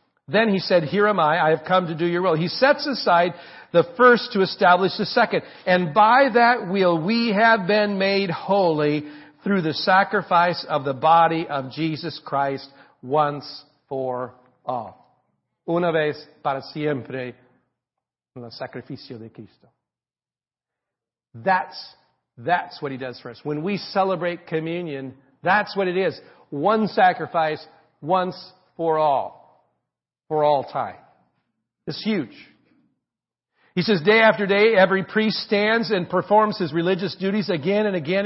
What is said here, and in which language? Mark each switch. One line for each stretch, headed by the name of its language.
English: Then he said, 'Here am I have come to do your will.'" He sets aside the first to establish the second. "And by that will we have been made holy through the sacrifice of the body of Jesus Christ once for all."
Spanish: Una vez para siempre, el sacrificio de Cristo.
English: That's what he does for us. When we celebrate communion, that's what it is. One sacrifice once for all. For all time. It's huge. He says, "Day after day, every priest stands and performs his religious duties again and again.